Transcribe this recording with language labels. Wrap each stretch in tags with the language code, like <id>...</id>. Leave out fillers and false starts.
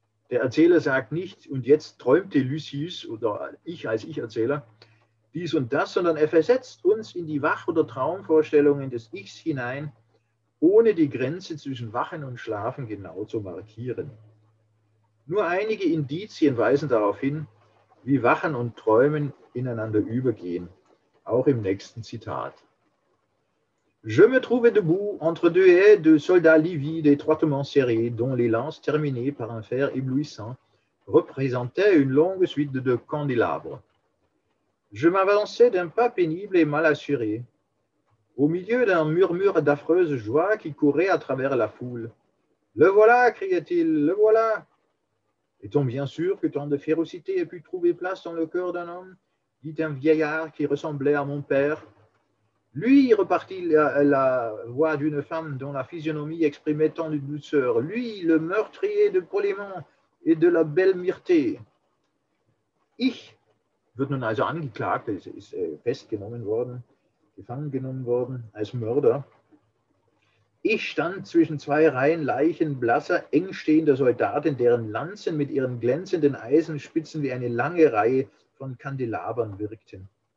<de>Der Erzähler sagt nicht, und jetzt träumte Lucius oder ich als Ich-Erzähler dies und das, sondern er versetzt uns in die Wach- oder Traumvorstellungen des Ichs hinein, ohne die Grenze zwischen Wachen und Schlafen genau zu markieren. Nur einige Indizien weisen darauf hin, wie Wachen und Träumen ineinander übergehen, auch im nächsten Zitat.</de> <fr>Je me trouvais debout entre deux haies de soldats livides étroitement serrés, dont les lances terminées par un fer éblouissant représentaient une longue suite de candélabres. Je m'avançais d'un pas pénible et mal assuré, au milieu d'un murmure d'affreuse joie qui courait à travers la foule. « Le voilà » criait-il, « le voilà » Est-on bien sûr que tant de férocité ait pu trouver place dans le cœur d'un homme ? Dit un vieillard qui ressemblait à mon père. « Lui !» repartit la voix d'une femme dont la physionomie exprimait tant de douceur. « Lui, le meurtrier de Polémon et de la belle Myrtée. » «</fr> <de>Ich !» wird nun also angeklagt, ist festgenommen worden. Gefangen genommen worden als Mörder. Ich stand zwischen zwei Reihen leichenblasser, engstehender Soldaten, deren Lanzen mit ihren glänzenden Eisenspitzen wie eine lange Reihe von Kandelabern wirkten.</de>